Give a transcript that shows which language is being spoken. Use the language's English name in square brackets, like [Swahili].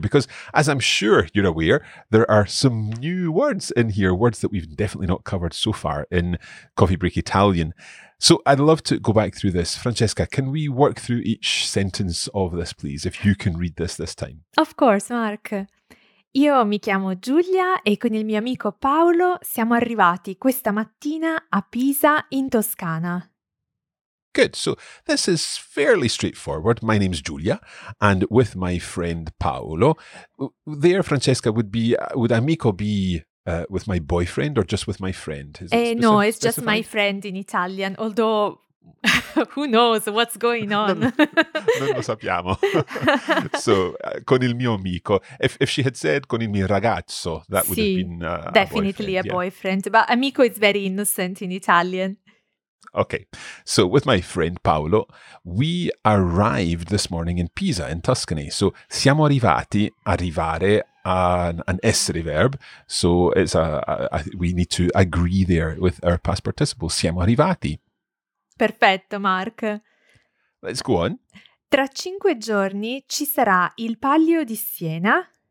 [English] Because as I'm sure you're aware, there are some new words in here, words that we've definitely not covered so far in Coffee Break Italian. So I'd love to go back through this. Francesca, can we work through each sentence of this, please, if you can read this time? Of course, Mark. [Italian] Io mi chiamo Giulia e con il mio amico Paolo siamo arrivati questa mattina a Pisa in Toscana. [English] Good. So this is fairly straightforward. My name's Giulia and with my friend Paolo. There, Francesca, would amico be with my boyfriend or just with my friend? No, it's just my friend in Italian, although... who knows what's going on? [Italian] Non lo sappiamo. So, con il mio amico. [English] If she had said [Italian] con il mio ragazzo, [English] that would have been definitely a boyfriend. Yeah. But amico is very innocent in Italian. Okay, so with my friend Paolo, we arrived this morning in Pisa, in Tuscany. So [Italian] siamo arrivati, arrivare, [English] an essere verb. So it's we need to agree there with our past participle. [Italian] Siamo arrivati. Perfetto, Mark. [English] Let's go on. [Italian] Tra 5 giorni ci sarà il Palio di Siena.